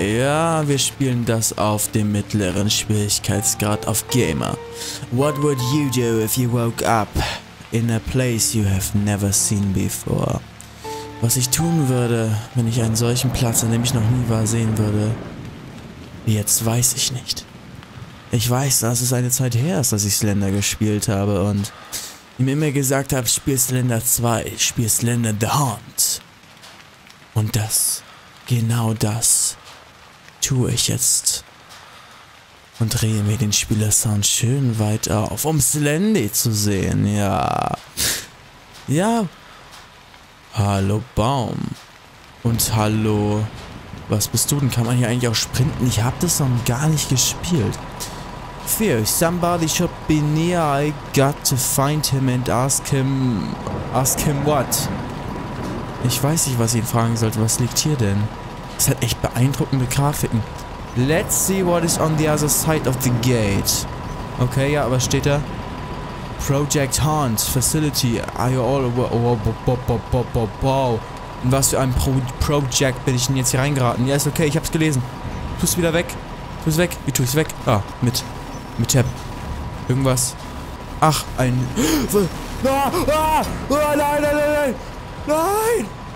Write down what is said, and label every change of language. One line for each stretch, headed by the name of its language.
German: Ja, wir spielen das auf dem mittleren Schwierigkeitsgrad auf Gamer.
English: What would you do if you woke up in a place you have never seen before?
German: Was ich tun würde, wenn ich einen solchen Platz, an dem ich noch nie war, sehen würde? Jetzt weiß ich nicht. Ich weiß, dass es eine Zeit her ist, dass ich Slender gespielt habe und ihm immer gesagt habe, spiel Slender 2, spiel Slender The Haunt. Und das, genau das, tue ich jetzt. Und drehe mir den Spielersound schön weit auf, um Slendy zu sehen, ja. Ja. Hallo Baum. Und hallo. Was bist du denn? Kann man hier eigentlich auch sprinten? Ich habe das noch gar nicht gespielt.
English: Fear, somebody should be near. I got to find him and ask him... Ask him what?
German: Ich weiß nicht, was ich ihn fragen sollte. Was liegt hier denn? Das hat echt beeindruckende Grafiken.
English: Let's see what is on the other side of the gate. Okay,
German: ja, was steht da?
English: Project Haunt Facility. Are you all aware? Oh, wow.
German: In was für ein Project bin ich denn jetzt hier reingeraten? Ja, ist okay, ich hab's gelesen. Tu's wieder weg. Tu's weg. Wie tu ich's weg? Ah, mit. Mit Tab. Irgendwas. Ach, ein. Nein!